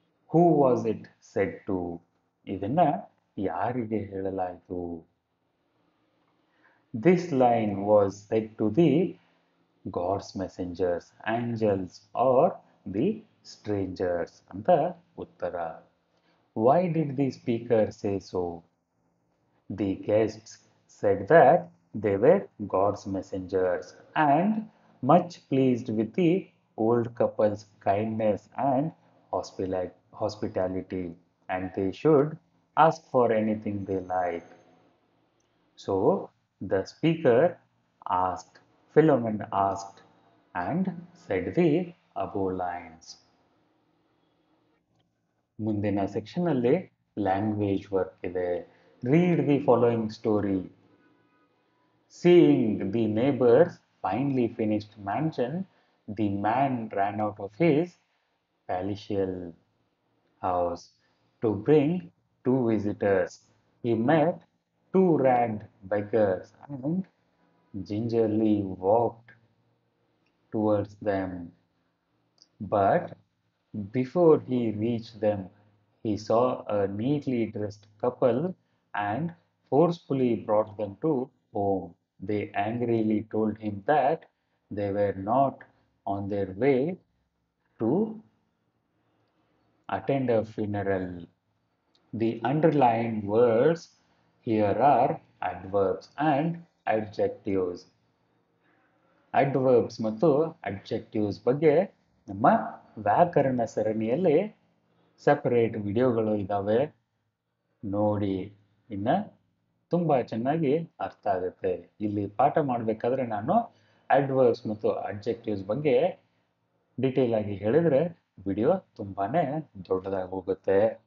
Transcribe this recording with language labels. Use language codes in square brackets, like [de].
[en] Who was it said to? [kn] ಇದನ್ನು ಯಾರಿಗೆ ಹೇಳಲಾಯಿತು? [en] this line was said to the God's messengers, angels are the strangers [kn] ಅಂತ ಉತ್ತರ. [en] Why did the speaker say so? The guests said that they were God's messengers and much pleased with the old couple's kindness and hospitality, and they should ask for anything they like. So the speaker asked, Philomen asked and said the above lines. [kn] ಮುಂದಿನ ಸೆಕ್ಷನಲ್ಲಿ language work ಇದೆ. [en] Read the following story. Seeing the neighbours finally finished mansion, the man ran out of his palatial house to bring two visitors. He met two ragged bikers and gingerly walked towards them. But Before he reached them, he saw a neatly dressed couple and forcefully brought them to home. They angrily told him that they were not on their way to attend a funeral. The underlined words here are adverbs and adjectives. Adverbs matu adjectives [kn] bagge namma ವ್ಯಾಕರಣ ಸರಣಿಯಲ್ಲಿ separate ವಿಡಿಯೋಗಳು ಇದ್ದಾವೆ, ನೋಡಿ, ಇನ್ನು ತುಂಬ ಚೆನ್ನಾಗಿ ಅರ್ಥ ಆಗುತ್ತೆ. ಇಲ್ಲಿ ಪಾಠ ಮಾಡಬೇಕಾದ್ರೆ ನಾನು ಆಡ್ವರ್ಬ್ಸ್ ಮತ್ತು ಅಡ್ಜೆಕ್ಟಿವ್ಸ್ ಬಗ್ಗೆ ಡೀಟೇಲ್ ಆಗಿ ಹೇಳಿದರೆ ವಿಡಿಯೋ ತುಂಬಾ ದೊಡ್ಡದಾಗಿ ಹೋಗುತ್ತೆ.